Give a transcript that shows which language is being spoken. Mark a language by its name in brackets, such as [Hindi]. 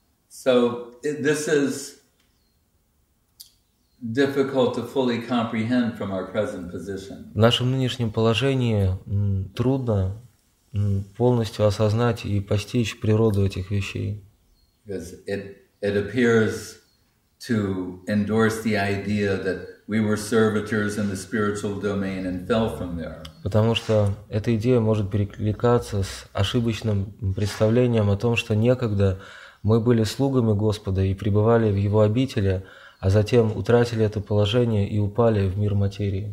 [English] So, this is difficult to fully comprehend from our present position. [Russian] В нашем нынешнем положении трудно полностью осознать и постичь природу этих вещей. [English] Because it appears to endorse the idea that we were servitors in the spiritual domain and fell from there. [Russian] Потому что эта идея может перекликаться с ошибочным представлением о том, что некогда мы были слугами Господа и пребывали в Его обители, а затем утратили это положение и упали в мир материи.